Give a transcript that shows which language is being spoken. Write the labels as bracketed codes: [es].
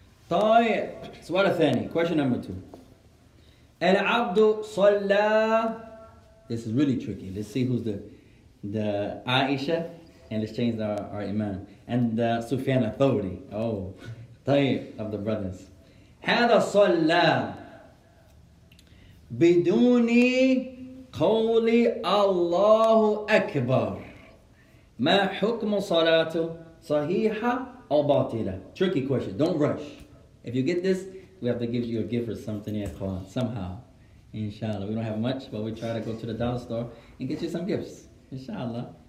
[ar] طيب سؤال ثاني. [en] Question number two. [ar] العبد صلى. [en] This is really tricky. Let's see who's the Aisha, and let's change our imam and the Sufyan authority. Oh, طيب of the brothers. [ar] هذا صلى بدون قول الله أكبر. ما حكم صلاته صحيحة أو باطلة؟ [en] Tricky question. Don't rush. If you get this, we have to give you a gift or something, ya khwan. Somehow. Inshallah. We don't have much, but we try to go to the dollar store and get you some gifts. Inshallah.